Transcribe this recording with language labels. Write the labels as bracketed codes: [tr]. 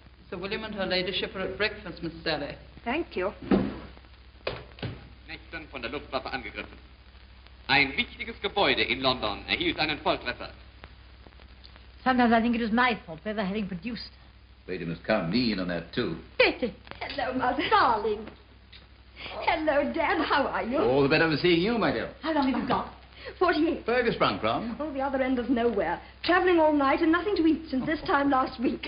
[en] Sir William and her ladyship are at breakfast, Miss Sally. Thank you. [de] Nächsten von der Luftwaffe angegriffen. Ein wichtiges Gebäude in London erhielt einen Volltreffer. [en] Sometimes I think it was my fault for ever having produced. Lady must count me in on that, too. Betty! Hello, Mother. Darling. Hello, Dad. How are you? All the better for seeing you, my dear. How long have you got? 48. Fergus sprung from? Oh, the other end of nowhere. Travelling all night and nothing to eat since this time last week.